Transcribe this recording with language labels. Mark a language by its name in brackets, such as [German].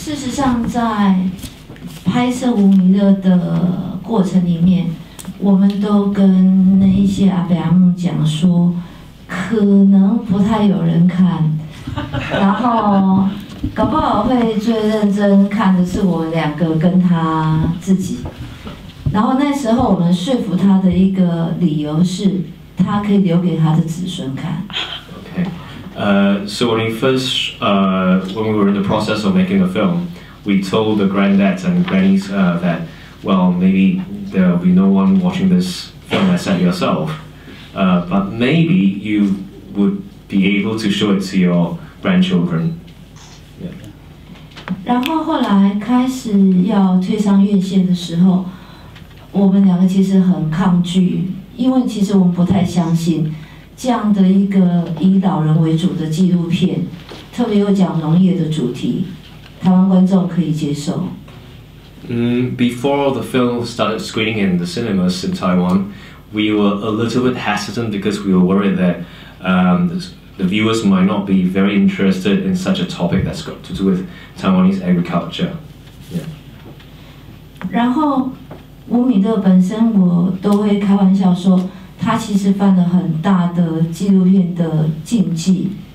[Chinese] 像在拍摄《无名热》的过程里面，我们都跟那一些阿伯阿姆讲说，可能不太有人看，然后搞不好会最认真看的是我们两个跟他自己。然后那时候我们说服他的一个理由是，他可以留给他的子孙看。 [English] Okay. So when we first, when we were in the process of making a film. We told the granddads and grannies that, well, maybe there will be no one watching this film except yourself. But maybe you would be able to show it to your grandchildren. Yeah. [Chinese] 然后后来开始要推上院线的时候，我们两个其实很抗拒，因为其实我们不太相信这样的一个以老人为主的纪录片，特别又讲农业的主题。台湾观众可以接受。 [English] Before the film started screening in the cinemas in Taiwan, we were a little bit hesitant because we were worried that the viewers might not be very interested in such a topic that's got to do with Taiwanese agriculture. Yeah. [Chinese] 然后吴米勒本身我都会开玩笑说，他其实犯了很大的纪录片的禁忌。